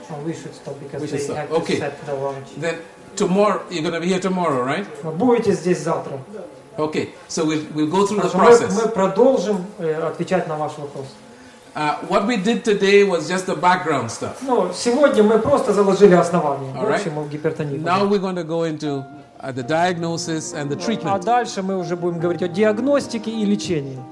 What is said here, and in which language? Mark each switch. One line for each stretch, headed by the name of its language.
English: We should stop because they have to set the lunch. Then tomorrow you're going to be here tomorrow, right?
Russian: Вы будете здесь завтра.
English: Okay, so we'll go through the process.
Russian: Мы продолжим отвечать на ваш вопрос.
English: What we did today was just the background stuff.
Russian: Ну, сегодня мы просто заложили основание.
English: All right.
Russian: В общем, гипертонии.
English: Now we're going to go into the diagnosis and the treatment.
Russian: А дальше мы уже будем говорить о диагностике и лечении.